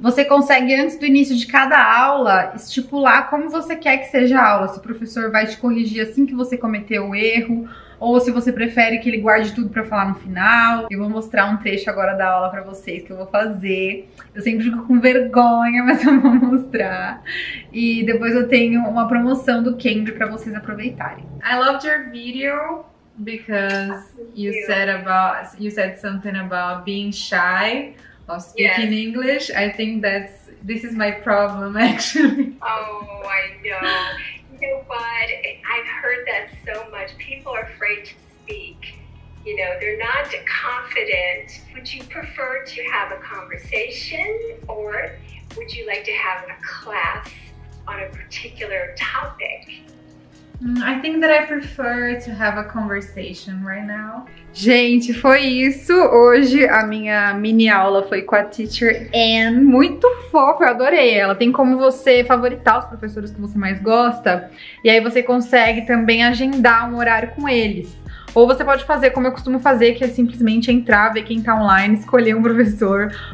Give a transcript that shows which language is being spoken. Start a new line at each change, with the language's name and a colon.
Portuguese: Você consegue, antes do início de cada aula, estipular como você quer que seja a aula, se o professor vai te corrigir assim que você cometeu o erro. Ou se você prefere que ele guarde tudo para falar no final. Eu vou mostrar um trecho agora da aula para vocês que eu vou fazer. Eu sempre fico com vergonha, mas eu vou mostrar. E depois eu tenho uma promoção do Cambly para vocês aproveitarem.
English: I loved your video because you said something about being shy of speaking Yes. English. I think this is my problem actually. Oh, I know. You know what? I've heard that so much. People are afraid to speak. You know, they're not confident. Would you prefer to have a conversation or would you like to have a class on a particular topic? I think that I prefer to have a conversation right now.
Portuguese: Gente, foi isso. Hoje a minha mini aula foi com a teacher Anne. Muito fofa, eu adorei ela. Tem como você favoritar os professores que você mais gosta. E aí você consegue também agendar um horário com eles. Ou você pode fazer como eu costumo fazer, que é simplesmente entrar, ver quem tá online, escolher um professor.